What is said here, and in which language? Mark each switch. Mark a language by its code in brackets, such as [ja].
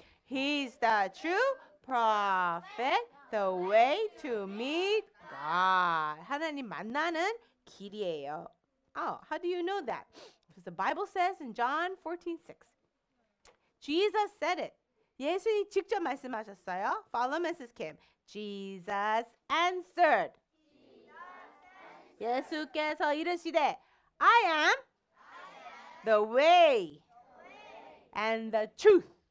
[en] He's the true prophet, the way to meet God. [ko] 하나님 만나는 길이에요. [en] Oh, how do you know that? Because the Bible says in John 14:6, Jesus said it. [ko] 예수님 직접 말씀하셨어요. [en] Follow Mrs. Kim. Jesus answered. [ko] 예수께서 이르시되, [en] I am the way. and the truth,